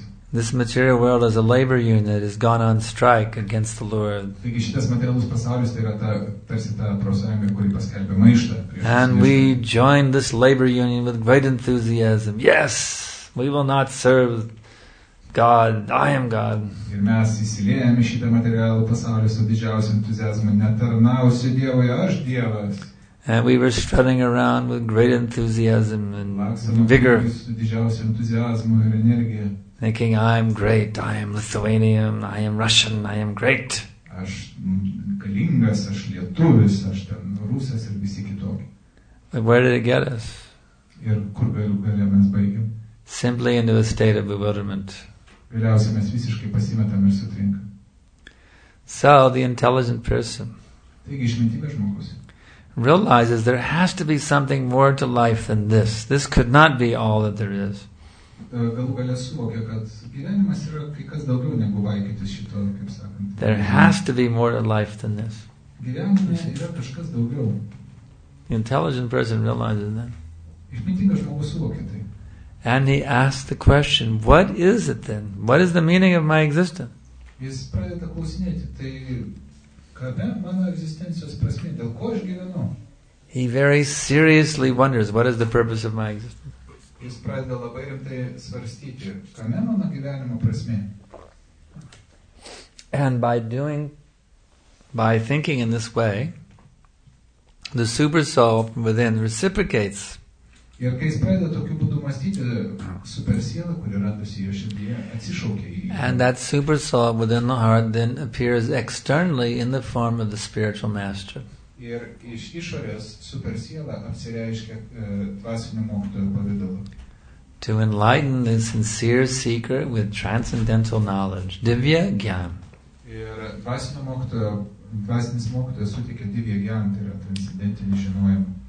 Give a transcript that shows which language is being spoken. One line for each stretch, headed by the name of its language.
English: This material world is a labor unit that has gone on strike against the Lord. And we join this labor union with great enthusiasm. Yes, we will not serve God. I am God.
Lithuanian: Ir mes įsiliejame šitą materialų pasaulį su didžiausiu entuziazmu. Netarnausiu Dievui, aš Dievas.
English: And we were strutting around with great enthusiasm and vigor.
Lithuanian: Su didžiausiu entuziazmu ir energija.
English: Thinking, I am great, I am Lithuanian, I am Russian, I am great.
Lithuanian: Aš galingas, aš lietuvis, aš ten rusas ir visi kitokie.
English: But where did it get us?
Lithuanian: Ir kur galų gale mes baigėm?
English: Simply into a state of bewilderment.
Lithuanian: Galiausiai mes visiškai pasimetam ir sutrinkam.
English: So, the intelligent person.
Lithuanian: Taigi, išmintingas žmogus.
English: Realizes there has to be something more to life than this. This could not be all that there is.
Lithuanian: Galų gale suvokia, kad gyvenimas yra kai kas daugiau negu vaikytis šito, kaip sakant.
English: There has to be more to life than this.
Lithuanian: Gyvenime yra kažkas daugiau.
English: The intelligent person realizes that.
Lithuanian: Išmintingas žmogus suvokia tai.
English: And he asks the question, what is it then? What is the meaning of my existence?
Lithuanian: Jis pradeda klausinėti, tai kada mano egzistencijos prasmė, dėl ko aš gyvenu?
English: He very seriously wonders, what is the purpose of my existence?
Lithuanian: Jis pradeda labai rimtai svarstyti, kame mano gyvenimo prasmė.
English: And by thinking in this way, the super soul within reciprocates.
Lithuanian: Ir kai jis pradeda tokiu būdu mąstyti, super siela, kuri randasi jo širdyje, atsišaukia į jį.
English: And that super soul within the heart then appears externally in the form of the spiritual master.
Lithuanian: Ir iš išorės super siela apsireiškia dvasinio mokytojo pavidalu.
English: To enlighten the sincere seeker with transcendental knowledge, divya gyan.
Lithuanian: Ir dvasinis mokytojas suteikia divya gyan, tai yra transcendentinį žinojimą.